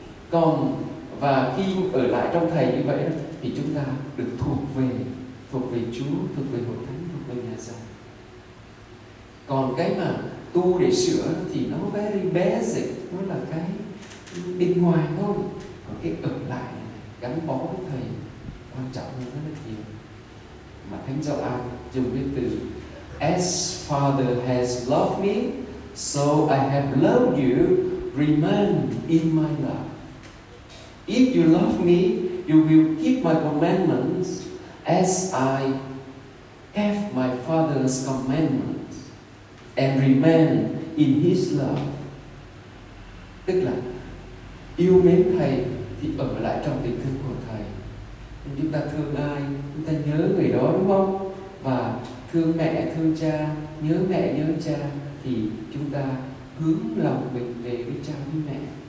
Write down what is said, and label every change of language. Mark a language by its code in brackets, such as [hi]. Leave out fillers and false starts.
[vi] Còn, và khi ở lại trong Thầy như vậy đó, thì chúng ta được thuộc về Chúa, thuộc về Hội Thánh, thuộc về nhà giàu. Còn cái mà tu để sửa thì nó [en] very basic, [vi] nó là cái bên ngoài thôi. Còn cái ở lại gắn bó với Thầy quan trọng hơn rất là nhiều. Mà Thánh Gioan dùng cái từ [en] As Father has loved me, so I have loved you, remain in my love. If you love me, you will keep my commandments as I have my Father's commandments and remain in his love. [vi] Tức là yêu mến Thầy thì ở lại trong tình thương của Thầy. Chúng ta thương ai, chúng ta nhớ người đó đúng không? Và thương mẹ, thương cha, nhớ mẹ, nhớ cha, thì chúng ta hướng lòng mình về với cha với mẹ.